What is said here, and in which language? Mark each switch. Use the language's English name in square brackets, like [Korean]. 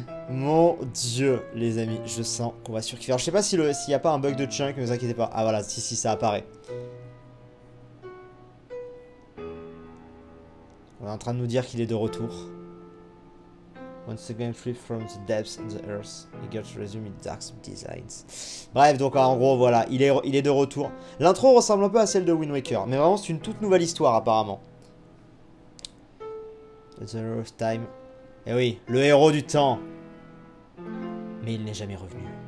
[French] Mon dieu, les amis, je sens qu'on va surkiffer. Alors, je sais pas s'il y a pas un bug de chunk, ne vous inquiétez pas. Ah voilà, si, ça apparaît. On est en train de nous dire qu'il est de retour. [English] Once again, free from the depths of the earth, he got to resume his dark designs. [French] Bref, donc en gros, voilà, il est de retour. L'intro ressemble un peu à celle de Wind Waker, mais vraiment, c'est une toute nouvelle histoire, apparemment. The Hero of Time. Eh oui, le héros du temps. Mais il n'est jamais revenu.